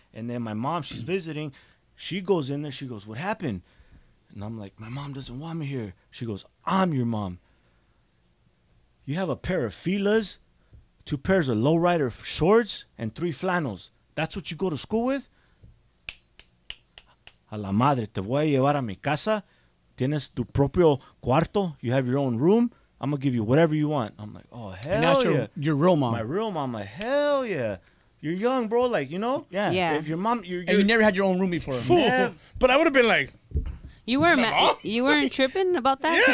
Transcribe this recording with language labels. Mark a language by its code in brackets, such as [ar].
[en] And then my mom, she's visiting. She goes in there. She goes, what happened? And I'm like, my mom doesn't want me here. She goes, I'm your mom. You have a pair of Filas, two pairs of lowrider shorts, and three flannels. That's what you go to school with? [es] A la madre, te voy a llevar a mi casa. Tienes tu propio cuarto. [en] You have your own room. I'm going to give you whatever you want. I'm like, oh, hell yeah. And that's your real mom. My real mom. I'm like, hell yeah. You're young, bro. Like, you know? Yeah. Yeah. If your mom... You're, and you never had your own room before. Fool. Yeah. But I would have been like... You weren't tripping about that? Yeah.